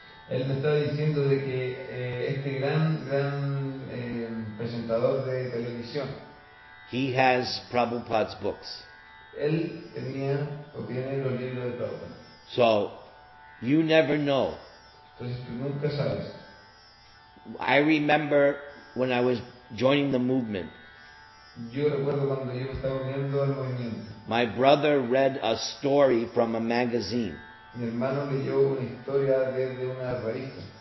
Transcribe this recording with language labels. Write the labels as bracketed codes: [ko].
[es] Él me estaba diciendo de que este gran presentador de televisión. [en] He has Prabhupada's books. [es] Él tenía o tiene los libros de Prabhupada. [en] So, you never know. [es] Entonces tú nunca sabes. [en] I remember when I was joining the movement. [es] Yo recuerdo cuando yo estaba uniendo al movimiento. [en] My brother read a story from a magazine. [es] Mi hermano leyó una historia desde una revista.